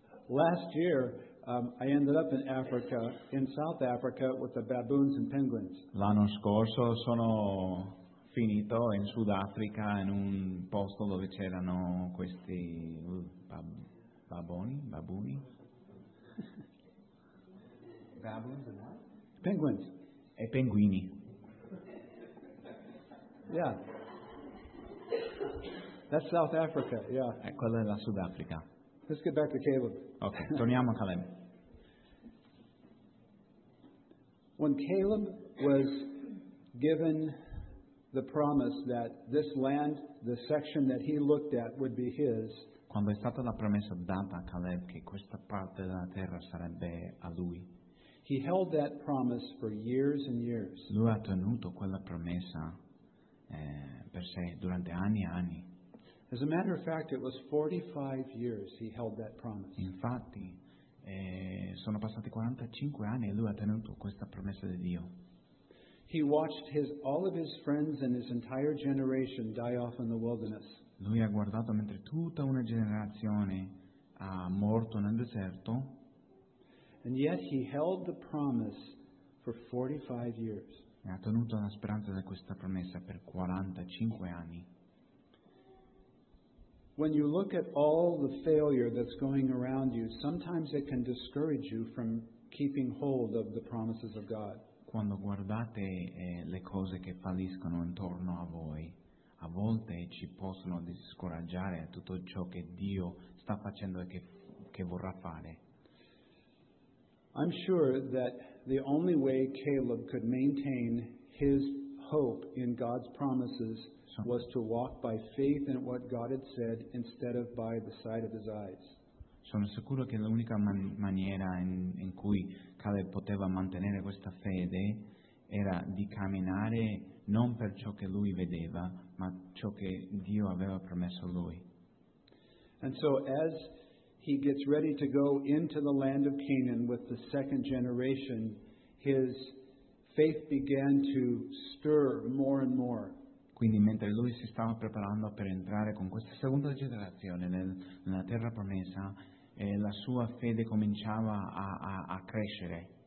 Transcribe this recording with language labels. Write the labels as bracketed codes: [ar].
[en] Last year I ended up in Africa, in South Africa, with the baboons and penguins. [it] L'anno scorso sono finito in Sudafrica in un posto dove c'erano questi baboni [en] penguins [it] e pinguini. [en] Yeah, that's South Africa. Yeah, [it] e quella è la Sudafrica. [en] Let's get back to Caleb. [it] Okay, torniamo a Caleb. [en] When Caleb was given the promise that this land, the section that he looked at, would be his. [it] Quando è stata la promessa data a Caleb che questa parte della terra sarebbe a lui. [en] He held that promise for years and years. [it] Lui ha tenuto quella promessa per sé durante anni e anni. [en] As a matter of fact, it was 45 years he held that promise. [it] Infatti, sono passati 45 anni e lui ha tenuto questa promessa di Dio. [en] He watched all of his friends and his entire generation die off in the wilderness. [it] Lui ha guardato mentre tutta una generazione ha morto nel deserto. [en] And yet he held the promise for 45 years. [it] E ha tenuto la speranza di questa promessa per 45 anni. [en] When you look at all the failure that's going around you, sometimes it can discourage you from keeping hold of the promises of God. [it] Quando guardate le cose che falliscono intorno a voi, a volte ci possono scoraggiare tutto ciò che Dio sta facendo e che vorrà fare. [en] I'm sure that the only way Caleb could maintain his hope in God's promises was to walk by faith in what God had said instead of by the sight of his eyes. [it] Sono sicuro che l'unica maniera in cui Caleb poteva mantenere questa fede era di camminare non per ciò che lui vedeva, ma ciò che Dio aveva promesso a lui. [en] And so as he gets ready to go into the land of Canaan with the second generation, his faith began to stir more and more. [it] Quindi mentre lui si stava preparando per entrare con questa seconda generazione nella terra promessa, la sua fede cominciava a crescere.